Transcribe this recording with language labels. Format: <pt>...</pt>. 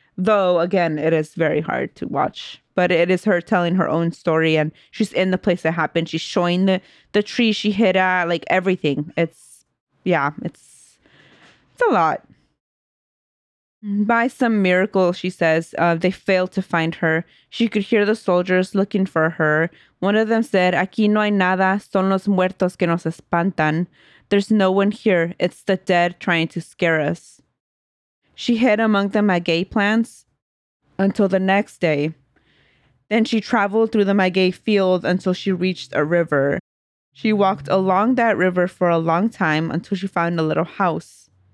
<en>Though, again, it is very hard to watch. But it is her telling her own story, and she's in the place that happened. She's showing the tree she hid at, like, everything. It's a lot. By some miracle, she says, they failed to find her. She could hear the soldiers looking for her.</en> <es>One of them said, aquí no hay nada, son los muertos que nos espantan.</es> <en>There's no one here. It's the dead trying to scare us. She hid among the maguey plants until the next day. Then she traveled through the maguey field until she reached a river. She walked along that river for a long time until she found a little house.</en>